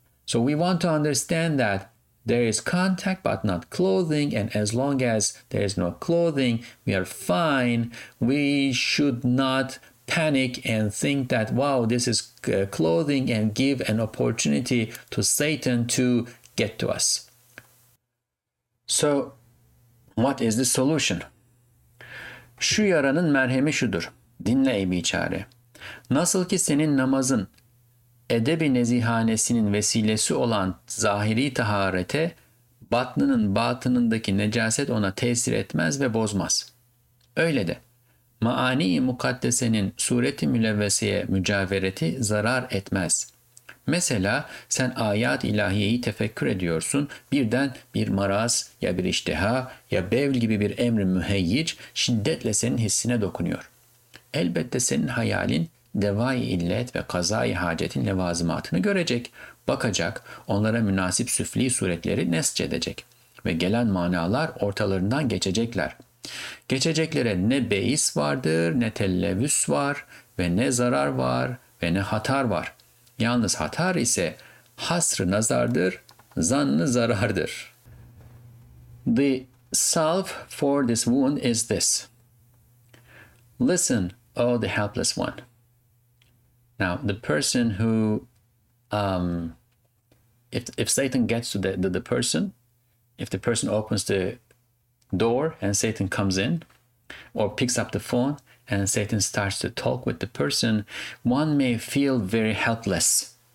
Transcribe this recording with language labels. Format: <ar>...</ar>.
<en>So we want to understand that there is contact but not clothing, and as long as there is no clothing, we are fine. We should not panic and think that, wow, this is clothing, and give an opportunity to Satan to get to us. So what is the solution?</en> <tr>Şu yaranın merhemi şudur. Dinle ey biçare. Nasıl ki senin namazın edeb-i nezihanesinin vesilesi olan zahiri taharete, batnının batınındaki necaset ona tesir etmez ve bozmaz. Öyle de maani-i mukaddesenin sureti mülevveseye mücavereti zarar etmez. Mesela sen ayat-ı ilahiyeyi tefekkür ediyorsun, birden bir maraz ya bir iştiha ya bevl gibi bir emr-i müheyyic şiddetle senin hissine dokunuyor. Elbette senin hayalin devai illet ve kazai hacetin levazımatını görecek, bakacak, onlara münasip süfli suretleri nesç edecek ve gelen manalar ortalarından geçecekler. Geçeceklere ne beis vardır, ne tellevüs var ve ne zarar var ve ne hatar var. Yalnız hatar ise hasr-ı nazardır, zann-ı zarardır.</tr> <en>The salve for this wound is this. Listen, oh, the helpless one. Now, the person who, if Satan gets to the person, if the person opens the door and Satan comes in, or picks up the phone and Satan starts to talk with the person, one may feel very helpless.</en>